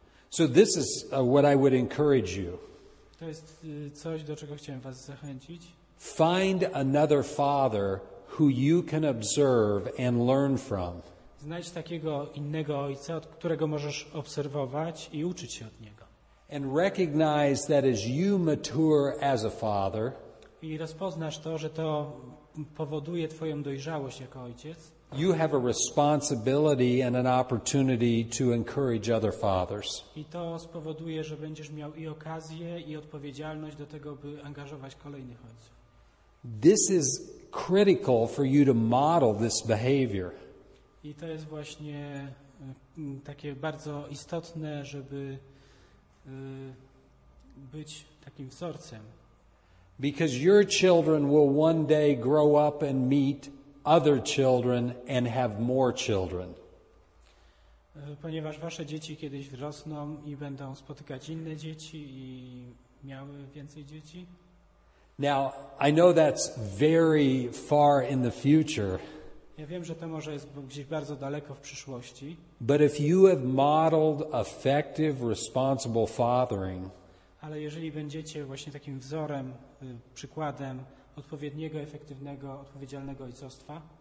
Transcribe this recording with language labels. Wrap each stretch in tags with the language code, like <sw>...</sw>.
<en>So this is what I would encourage you.</en> <pl>To jest coś, do czego chciałem was zachęcić.</pl> <en>Find another father who you can observe and learn from.</en> <pl>Znajdź takiego innego ojca, od którego możesz obserwować i uczyć się od niego.</pl> <en>And recognize that as you mature as a father.</en> <pl>I rozpoznasz to, że to powoduje twoją dojrzałość jako ojciec.</pl> <en>You have a responsibility and an opportunity to encourage other fathers.</en> <pl>I to spowoduje, że będziesz miał i okazję, i odpowiedzialność do tego, by angażować kolejnych ojców.</pl> <en>This is critical for you to model this behavior.</en> <pl>I to jest właśnie takie bardzo istotne, żeby być takim wzorcem.</pl> <en>Because your children will one day grow up and meet other children and have more children.</en> <pl>Ponieważ wasze dzieci kiedyś wyrosną i będą spotykać inne dzieci i miały więcej dzieci.</pl> <en>Now, I know that's very far in the future.</en> <pl>Ja wiem, że to może jest gdzieś bardzo daleko w przyszłości.</pl> <en>But if you have modeled effective, responsible fathering,</en> <pl>ale jeżeli będziecie właśnie takim wzorem, przykładem odpowiedniego, efektywnego, odpowiedzialnego ojcostwa,</pl>